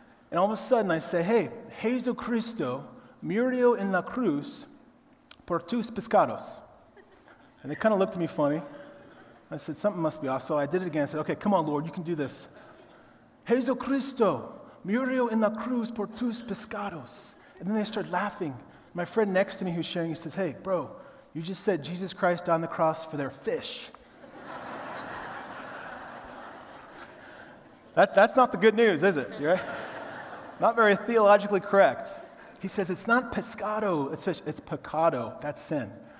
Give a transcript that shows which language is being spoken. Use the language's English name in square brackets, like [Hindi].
[English] And all of a sudden I say, hey, [Spanish] Jesus Cristo murió en la cruz por tus pecados. [English] And they kind of looked at me funny. I said, something must be off. So I did it again. I said, okay, come on, Lord, you can do this. [Spanish] Jesus Cristo murió en la cruz por tus pecados. [English] And then they started laughing. My friend next to me who's sharing, he says, hey, bro, you just said Jesus Christ died on the cross for their fish. That's not the good news, is it? You're right? Not very theologically correct. He says, it's not pescado, it's fish, it's pecado. That's sin.